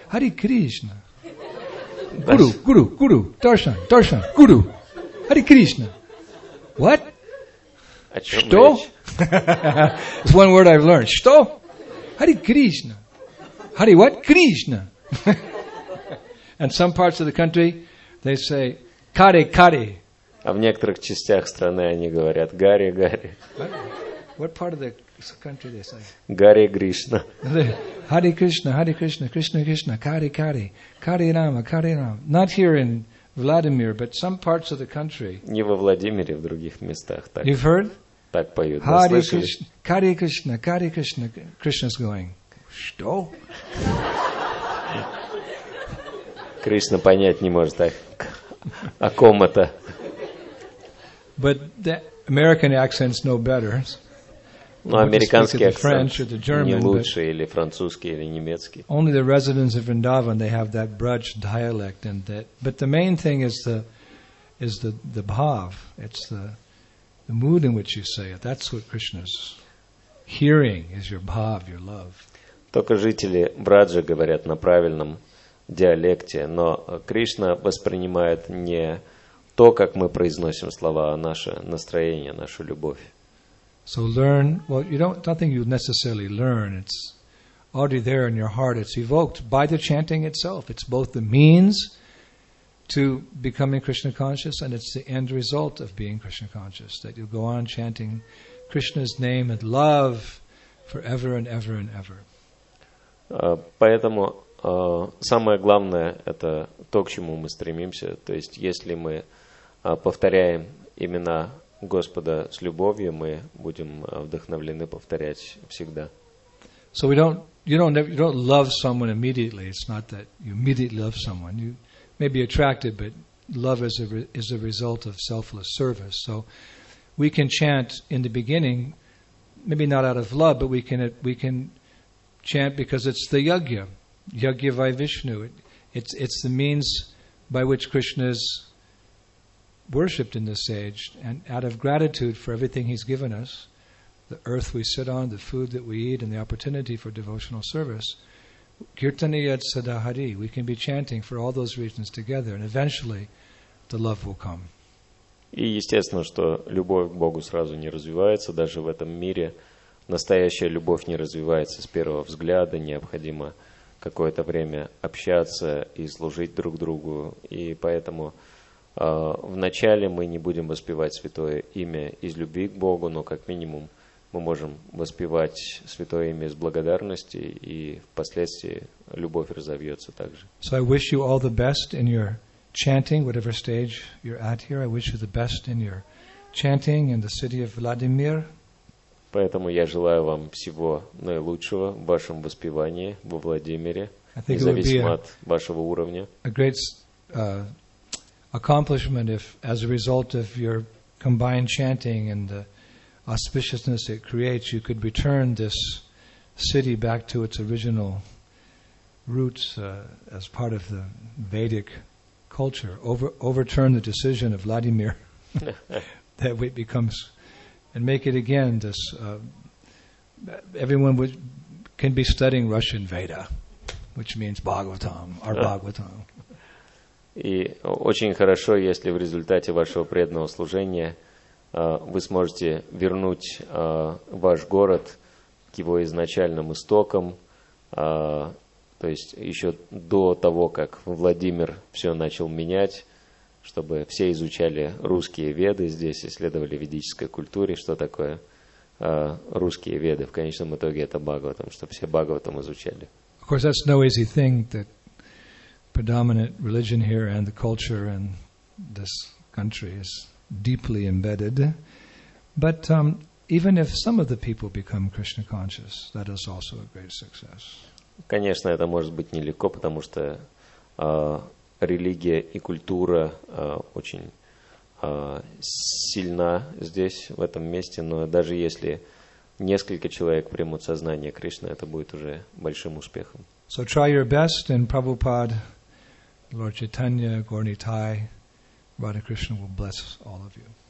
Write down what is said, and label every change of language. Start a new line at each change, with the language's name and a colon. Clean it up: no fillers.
English: Hare Krishna. Guru, Guru, Guru, Darshan, Darshan, Guru. Hare Krishna. What?
Russian: Что?
English: It's one word I've learned.
Russian: Что?
English: Hare Krishna. Hare what? Krishna. And some parts of the country, they say, Kare, Kare.
Russian: А в некоторых частях страны они говорят, Гарри, Гарри.
English: What part of the country they say?
Russian: Гарри Кришна.
Sanskrit: Hare Krishna, Hare Krishna, Krishna Krishna, Kare, Kare, Kare Rama, Kare Rama.
English: Not here in Vladimir, but some parts of the country.
Russian: Не во Владимире, в других местах. Так,
English: you've heard?
Russian: Так поют.
Sanskrit: Hare Krishna, Hare Krishna, Hare Krishna,
English: Krishna's going.
Russian: Что? Кришна понять не может, так, о ком это.
English: But the American accent's no better.
Russian: Но американский акцент не лучше, или французский, или немецкий.
English: Only the residents of Vrindavan, they have that Braj dialect, and that. But the main thing is the bhav. It's the mood in which you say it. That's what Krishna's hearing is your bhav, your love.
Russian: Только жители Браджа говорят на правильном диалекте, но Кришна воспринимает не то, как мы произносим слова, а наше настроение, нашу любовь.
English: So learn, well, you don't think you necessarily learn. It's already there in your heart. It's evoked by the chanting itself. It's both the means to becoming Krishna conscious, and it's the end result of being Krishna conscious, that you go on chanting Krishna's name and love forever and ever and ever.
Russian: Поэтому самое главное – это то, к чему мы стремимся. То есть, если мы повторяем имена Господа с любовью, мы будем вдохновлены повторять всегда.
English: So we don't, you don't love someone immediately. It's not that you immediately love someone. You may be attracted, but love is a result of selfless service. So we can chant in the beginning, maybe not out of love, but we can chant because it's the yajna,
Sanskrit: yajna vai Vishnu.
English: It's the means by which Krishna is worshipped in this age, and out of gratitude for everything he's given us, the earth we sit on, the food that we eat, and the opportunity for devotional service,
Sanskrit: kirtaniyat sadahari,
English: we can be chanting for all those reasons together, and eventually the love will come.
Russian: И естественно, что любовь к Богу сразу не развивается, даже в этом мире. Настоящая любовь не развивается с первого взгляда, необходимо какое-то время общаться и служить друг другу, и поэтому вначале мы не будем воспевать святое имя из любви к Богу, но как минимум мы можем воспевать святое имя из благодарности, и впоследствии любовь разовьется также.
English: So I wish you all the best in your chanting, whatever stage you're at here. I wish you the best in your chanting in the city of Vladimir.
Russian: Поэтому я желаю вам всего наилучшего в вашем воспевании во Владимире, независимо от вашего уровня.
English: A great accomplishment if, as a result of your combined chanting and the auspiciousness it creates, you could return this city back to its original roots as part of the Vedic culture, overturn the decision of Vladimir that it becomes. And make it again this everyone would can be studying Russian Veda, which means Bhagavatam, our Bhagavatam.
Russian: И очень хорошо, если в результате вашего преданного служения вы сможете вернуть ваш город к его изначальным истокам, то есть еще до того, как Владимир все начал менять. Чтобы все изучали русские веды здесь, исследовали ведической культуре, что такое русские веды. В конечном итоге это Бхагаватам, чтобы все Бхагаватам изучали.
English: Of course, that's no easy thing, that predominant religion here and the culture in this country is deeply embedded. But even if some of the people become Krishna conscious, that is also a great success.
Russian: Конечно, это может быть нелегко, потому что религия и культура очень сильна здесь, в этом месте, но даже если несколько человек примут сознание Кришны, это будет уже большим успехом.
English: So try your best, and Prabhupada, Lord Chaitanya, Gornitai, Radha Krishna will bless all of you.